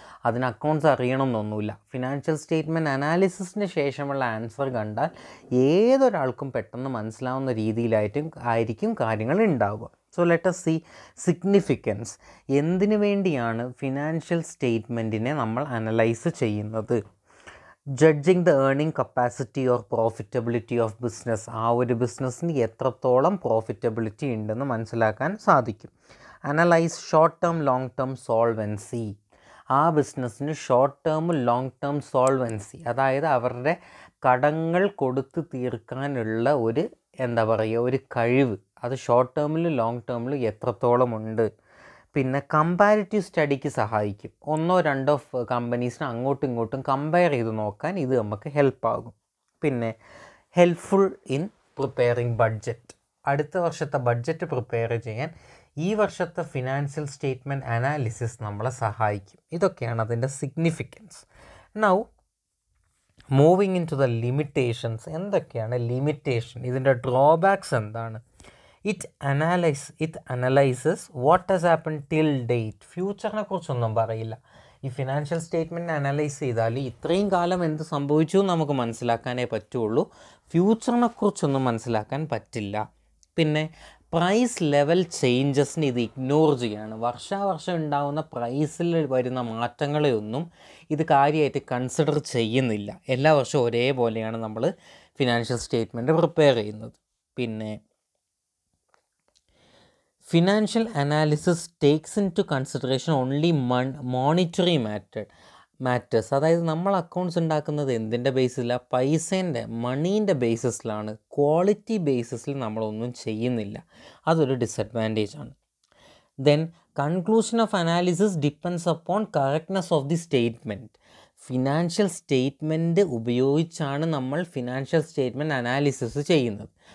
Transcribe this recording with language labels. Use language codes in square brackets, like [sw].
[ml] അതിന് accounts അറിയണമെന്നൊന്നുമില്ല. Financial statement അനാലിസിസിന് ശേഷമുള്ള answer കണ്ടാൽ ഏതൊരാൾക്കും പെട്ടെന്ന് മനസ്സിലാവുന്ന രീതിയിലായിട്ടും ആയിരിക്കും കാര്യങ്ങൾ ഉണ്ടാവുക. [en] So let us see significance. [ml] എന്തിനു വേണ്ടിയാണ് ഫിനാൻഷ്യൽ സ്റ്റേറ്റ്മെൻറ്റിനെ നമ്മൾ അനലൈസ് ചെയ്യുന്നത്? [en] Judging the earning capacity or profitability of business. [ml] ആ ഒരു ബിസിനസ്സിന് എത്രത്തോളം പ്രോഫിറ്റബിലിറ്റി ഉണ്ടെന്ന് മനസ്സിലാക്കാൻ സാധിക്കും. [en] Analyse short term, long term solvency. [ml] ആ ബിസിനസ്സിന് ഷോർട്ട് ടേമും ലോങ് ടേം സോൾവെൻസി, അതായത് അവരുടെ കടങ്ങൾ കൊടുത്ത് തീർക്കാനുള്ള ഒരു എന്താ പറയുക ഒരു കഴിവ്, അത് ഷോർട്ട് ടേമിലും ലോങ് ടേമിലും എത്രത്തോളം ഉണ്ട്. പിന്നെ കമ്പാരിറ്റീവ് സ്റ്റഡിക്ക് സഹായിക്കും. ഒന്നോ രണ്ടോ കമ്പനീസിന് അങ്ങോട്ടും ഇങ്ങോട്ടും കമ്പയർ ചെയ്ത് നോക്കാൻ ഇത് നമുക്ക് ഹെൽപ്പാകും. [en] പിന്നെ helpful in preparing budget. [ml] അടുത്ത വർഷത്തെ ബഡ്ജറ്റ് പ്രിപ്പയർ ചെയ്യാൻ ഈ വർഷത്തെ ഫിനാൻഷ്യൽ സ്റ്റേറ്റ്മെൻറ്റ് അനാലിസിസ് നമ്മളെ സഹായിക്കും. ഇതൊക്കെയാണ് അതിൻ്റെ significance. [en] Now moving in to the limitations. [ml] എന്തൊക്കെയാണ് ലിമിറ്റേഷൻ, ഇതിൻ്റെ ഡ്രോബാക്സ് എന്താണ്? [en] It analyzes what has happened till date. [ml] ഫ്യൂച്ചറിനെക്കുറിച്ചൊന്നും പറയില്ല. ഈ ഫിനാൻഷ്യൽ സ്റ്റേറ്റ്മെൻറ്റ് അനലൈസ് ചെയ്താൽ ഇത്രയും കാലം എന്ത് സംഭവിച്ചു എന്ന് നമുക്ക് മനസ്സിലാക്കാനേ പറ്റുള്ളൂ. ഫ്യൂച്ചറിനെക്കുറിച്ചൊന്നും മനസ്സിലാക്കാൻ പറ്റില്ല. പിന്നെ പ്രൈസ് ലെവൽ ചേഞ്ചസിനെ ഇത് ഇഗ്നോർ ചെയ്യുകയാണ്. വർഷാവർഷം ഉണ്ടാകുന്ന പ്രൈസിൽ വരുന്ന മാറ്റങ്ങളെയൊന്നും ഇത് കാര്യമായിട്ട് കൺസിഡർ ചെയ്യുന്നില്ല. എല്ലാ വർഷവും ഒരേപോലെയാണ് നമ്മൾ ഫിനാൻഷ്യൽ സ്റ്റേറ്റ്മെൻറ്റ് പ്രിപ്പയർ ചെയ്യുന്നത്. പിന്നെ [en] Financial analysis takes into consideration only monetary matters. [ml] അതായത് നമ്മൾ അക്കൗണ്ട്സ് ഉണ്ടാക്കുന്നത് എന്തിൻ്റെ ബേസിലാണ്? പൈസേൻ്റെ, മണീൻ്റെ ബേസിസിലാണ്. ക്വാളിറ്റി ബേസിസിൽ നമ്മളൊന്നും ചെയ്യുന്നില്ല. അതൊരു ഡിസഡ്വാൻറ്റേജ് ആണ്. [en] Then conclusion of analysis depends upon correctness of the statement. [ml] Financial statement ഉപയോഗിച്ചാണ് നമ്മൾ ഫിനാൻഷ്യൽ സ്റ്റേറ്റ്മെൻറ്റ് അനാലിസിസ് ചെയ്യുന്നത്.